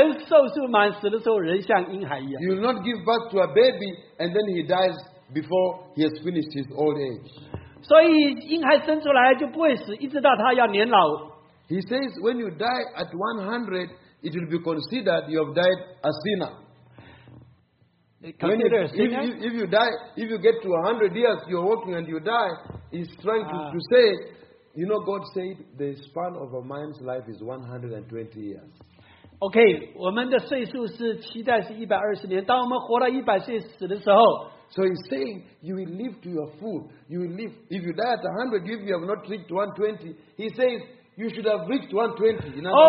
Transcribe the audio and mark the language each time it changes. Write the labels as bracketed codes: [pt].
[zh] 当婴孩死的时候，他死的时候，当老人寿数满死的时候，人像婴孩一样。 [en] You will not give birth to a baby and then he dies before he has finished his old age. [zh] 所以婴孩生出来就不会死，一直到他要年老。 [en] He says when you die at 100, it will be considered you have died a sinner. If you get to 100 years, you're walking and you die, he's trying to say, you know, God said the span of a man's life is 120 years. [zh] Okay, 我们的岁数是期待是120年。当我们活到100岁死的时候， [en] so he's saying you will live to your full. You will live if you die at 100. If you have not reached 120, he says you should have reached 120.